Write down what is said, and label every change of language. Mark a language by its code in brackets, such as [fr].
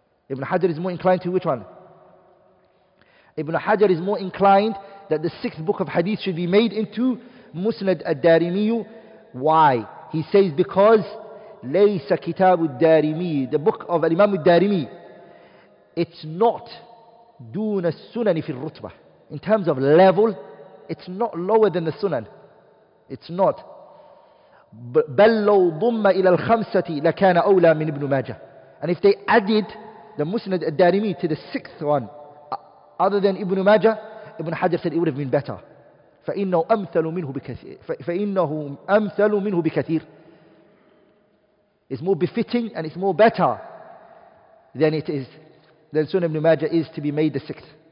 [en] Ibn Hajar is more inclined to which one? Ibn Hajar is more inclined that the sixth book of hadith should be made into Musnad al-Darimi. Why? He says because Laysa Kitab al-Darimi, the book of Imam al-Darimi, it's not [ar] دون السنن في الرتبة. [en] In terms of level, it's not lower than the Sunan. It's not. [ar] بل لو ضم إلى الخمسة لكان أولى من ابن ماجة. [en] And if they added the Musnad al-Darimi to the sixth one other than Ibn Majah, Ibn Hajar said it would have been better. [ar] فإنه أمثل منه بكثير. فإنه أمثل منه بكثير. [en] It's more befitting and it's more better than it is, than Sunan Ibn Majah is to be made the sixth.